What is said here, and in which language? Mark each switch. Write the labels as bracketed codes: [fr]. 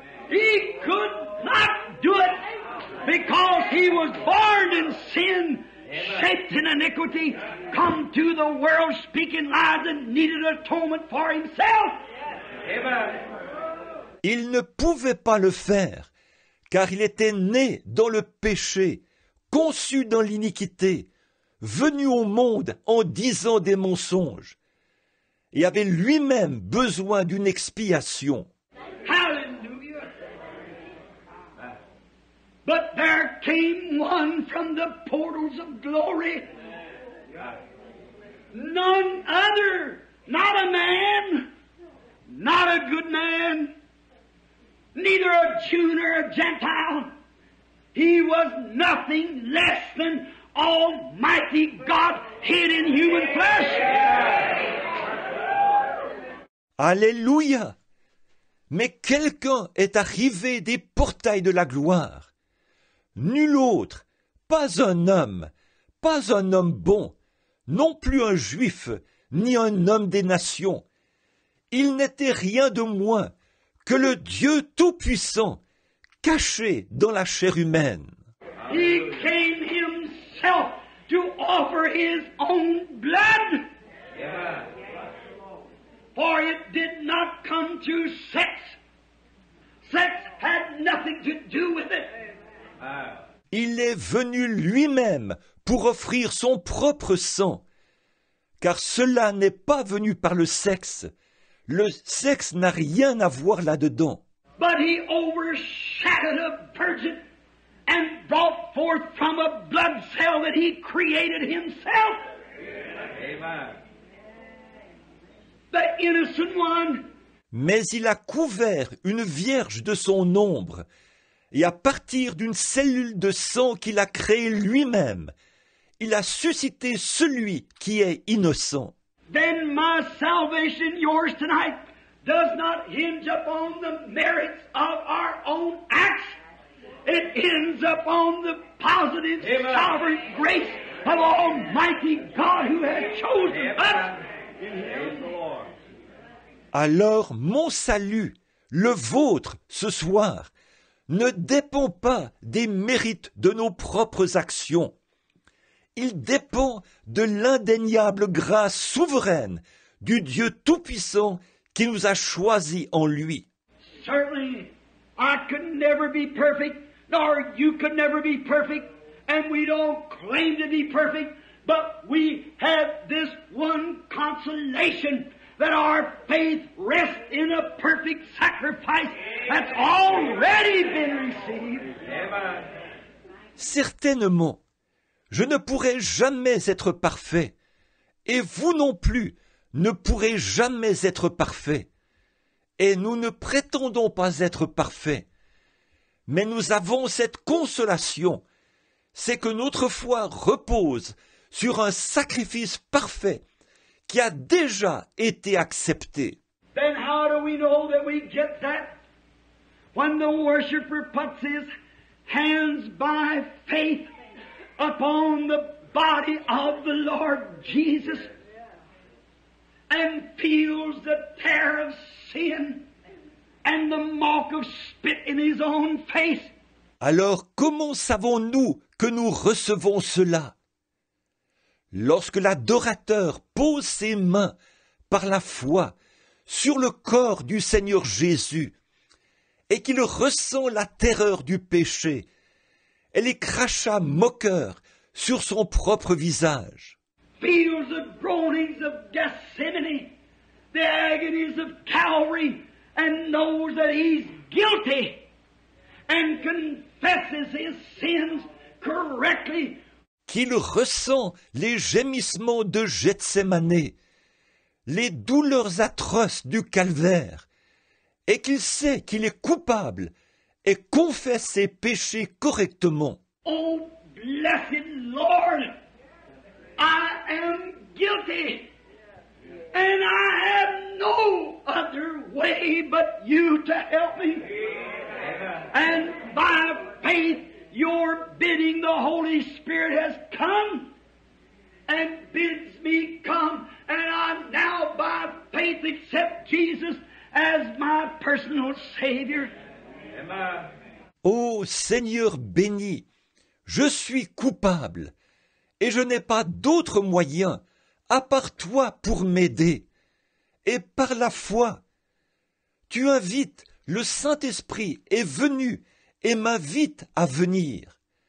[en] He could not do it because he was born in sin, shaped in iniquity, come to the world speaking lies and needed atonement for himself. Amen. [fr] Il ne pouvait pas le faire car il était né dans le péché, conçu dans l'iniquité, venu au monde en disant des mensonges. Et avait lui-même besoin d'une expiation. [en] Hallelujah. But there came one from the portals of glory. None other, not a man, not a good man, neither a Jew nor a Gentile. He was nothing less than Almighty God hid in human flesh. [fr] Alléluia! Mais quelqu'un est arrivé des portails de la gloire. Nul autre, pas un homme, pas un homme bon, non plus un juif, ni un homme des nations. Il n'était rien de moins que le Dieu Tout-Puissant, caché dans la chair humaine. [en] He came himself to offer his own blood. For it did not come to sex. Sex had nothing to do with it. [fr] Il est venu lui-même pour offrir son propre sang, car cela n'est pas venu par le sexe. Le sexe n'a rien à voir là-dedans. [en] But he overshadowed a virgin and brought forth from a blood cell that he created himself. Amen. The innocent one. [fr] Mais il a couvert une vierge de son ombre, et à partir d'une cellule de sang qu'il a créée lui-même, il a suscité celui qui est innocent. [en] Then my salvation, yours tonight, does not hinge upon the merits of our own acts. It hinges upon the positive, Amen, sovereign grace of Almighty God who has chosen Amen. Us. [fr] Alors mon salut, le vôtre ce soir, ne dépend pas des mérites de nos propres actions. Il dépend de l'indéniable grâce souveraine du Dieu Tout-Puissant qui nous a choisis en lui. [en] Certainly, I could never be perfect, nor you could never be perfect, and we don't claim to be perfect, but we have this one consolation that our faith rests in a perfect sacrifice that's already been received. [fr] Certainement, je ne pourrai jamais être parfait, et vous non plus ne pourrez jamais être parfait, et nous ne prétendons pas être parfaits, mais nous avons cette consolation, c'est que notre foi repose sur un sacrifice parfait qui a déjà été accepté. [en] Then how do we know that we get that? When the worshiper puts his hands by faith upon the body of the Lord Jesus and feels the tear of sin and the mark of spit in his own face. [fr] Alors comment savons-nous que nous recevons cela? Lorsque l'adorateur pose ses mains par la foi sur le corps du Seigneur Jésus et qu'il ressent la terreur du péché, elle est cracha moqueur sur son propre visage. [en] Feels the groanings of Gethsemane, the agonies of Calvary, and knows that he's guilty and confesses his sins correctly. [fr] Qu'il ressent les gémissements de Gethsémané, les douleurs atroces du calvaire, et qu'il sait qu'il est coupable et confesse ses péchés correctement. [en] Oh, blessed Lord, I am guilty, and I have no other way but you to help me. And by faith, your bidding, the Holy Spirit has come and bids me come, and I now by faith accept Jesus as my personal Savior. Amen. [fr] Oh Seigneur béni, je suis coupable et je n'ai pas d'autre moyen à part toi pour m'aider. Et par la foi, tu invites, le Saint-Esprit est venu et m'invite à venir.